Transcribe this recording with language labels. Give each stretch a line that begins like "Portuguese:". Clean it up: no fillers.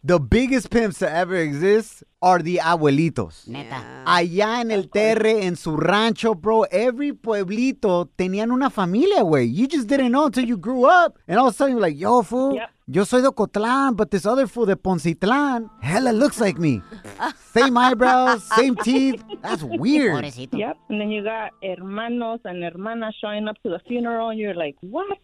English: The biggest pimps that ever exist are the abuelitos.
Spanish: Neta. Allá en el Terre, en su rancho, bro, every pueblito tenían una familia, güey.
English: You just didn't know until you grew up. And all of a sudden, you're like, yo, fool,
Spanish: yo soy de Ocotlán,
English: but this other fool
Spanish: de Poncitlán,
English: hella looks like me. Same eyebrows, same teeth. That's weird. Yep. And then you got hermanos and hermanas showing up to the funeral, and you're like, what?